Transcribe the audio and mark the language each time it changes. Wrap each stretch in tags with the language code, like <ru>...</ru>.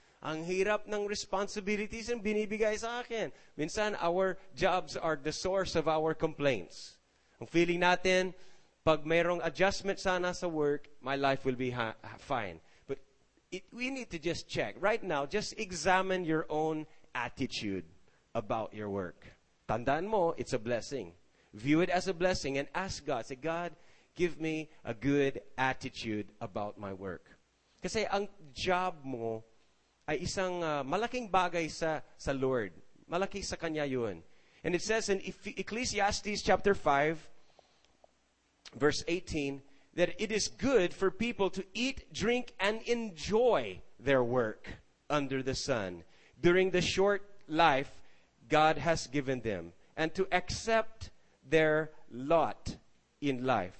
<tl>Ang hirap ng responsibilities ang binibigay sa akin. Minsan,</tl> <en>our jobs are the source of our complaints.</en> <tl>Ang feeling natin, pag mayroong adjustment sana sa work,</tl> <en>my life will be fine. But we need to just check. Right now, just examine your own attitude about your work.</en> <tl>Tandaan mo,</tl> <en>it's a blessing. View it as a blessing and ask God. Say, God, give me a good attitude about my work.</en> <tl>Kasi ang job mo ay isang malaking bagay sa Lord. Malaki sa kanya yun.</tl> <en>And it says in Ecclesiastes chapter 5, verse 18, that it is good for people to eat, drink, and enjoy their work under the sun during the short life God has given them, and to accept their lot in life.</en>